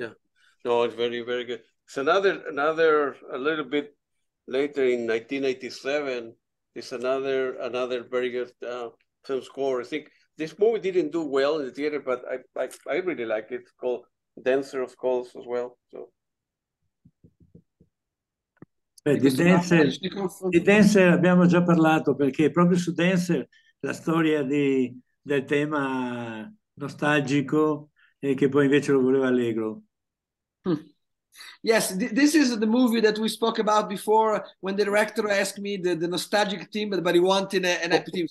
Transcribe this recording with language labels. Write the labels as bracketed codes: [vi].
[en] Yeah, no, it's very, very good. It's another a little bit later in 1987. It's another very good film score. I think this movie didn't do well in the theater, but I really like it. It's called Dancer, of course, as well. So. [it] Beh, Questo di Dancer abbiamo già parlato, perché proprio su Dancer la storia del tema nostalgico, e che poi invece lo voleva allegro. [en] Yes, th this is the movie that we spoke about before when the director asked me the nostalgic theme, but he wanted an happy theme.